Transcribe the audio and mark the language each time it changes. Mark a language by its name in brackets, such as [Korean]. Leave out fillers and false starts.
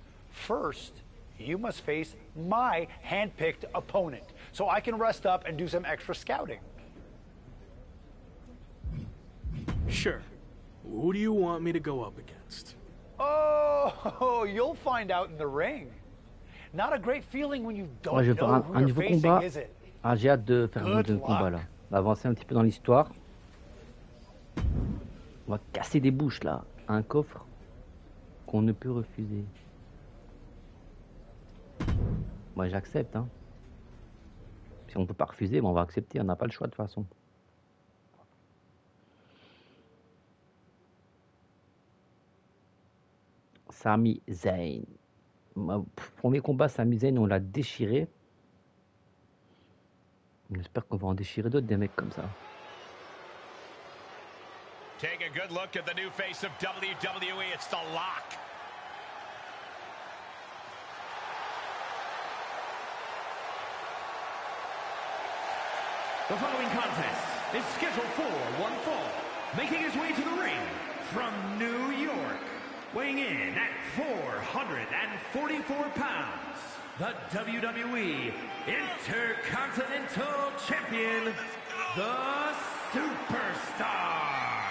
[English] First, you must face my hand-picked opponent, so I can rest up and do some extra scouting. Sure. Who do you want me to go up against? Oh, you'll find out in the ring. Not a great feeling when you don't know who you're facing, is it? [French] Ah, j'ai hâte de faire un deuxième combat là. On va avancer un petit peu dans l'histoire. On va casser des bouches là. Un coffre qu'on ne peut refuser. Moi j'accepte. Hein. Si on ne peut pas refuser, ben on va accepter. On n'a pas le choix de toute façon. Sami Zayn. Premier combat, Sami Zayn, on l'a déchiré. J'espère qu'on va en déchirer d'autres, des mecs comme ça. [English] Take a good look at the new face of WWE. It's the Lock. The following contest is scheduled for one fall, making his way to the ring from New York, weighing in at 444 pounds, the WWE Intercontinental Champion, the Superstar.